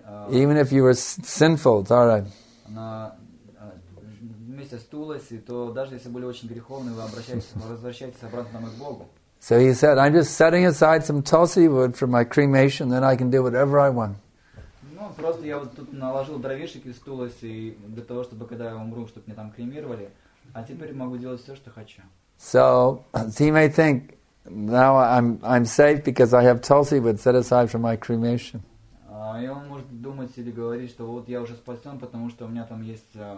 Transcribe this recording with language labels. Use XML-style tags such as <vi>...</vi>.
<en>Even if you were sinful, it's all right.</en> <ru>Вместе с Туласи, то даже если были очень греховные, возвращайтесь обратно к Богу.</ru> <en>So he said, I'm just setting aside some tulsi wood for my cremation, then I can do whatever I want.</en> <ru>Ну, просто я вот тут наложил дровишек из Туласи для того, чтобы когда я умру, чтобы меня там кремировали, а теперь могу делать все, что хочу.</ru> <en>So he may think, now I'm safe because I have tulsi wood set aside for my cremation.</en> <ru>И он может думать или говорить, что вот я уже спасен, потому что у меня там есть...</ru>